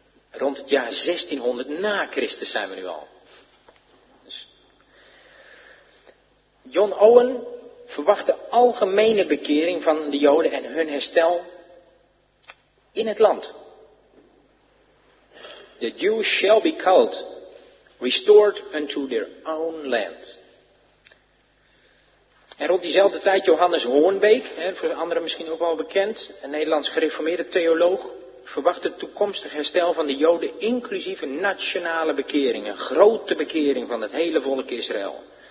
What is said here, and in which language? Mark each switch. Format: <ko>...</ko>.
<nl>Rond het jaar 1600 na Christus zijn we nu al. Dus John Owen verwacht de algemene bekering van de Joden en hun herstel in het land.</nl> <en>The Jews shall be called, restored unto their own land.</en> <nl>En rond diezelfde tijd Johannes Hoornbeek, voor anderen misschien ook wel bekend, een Nederlands gereformeerde theoloog, verwacht het toekomstig herstel van de Joden, inclusief een nationale bekering, een grote bekering van het hele volk Israël.</nl>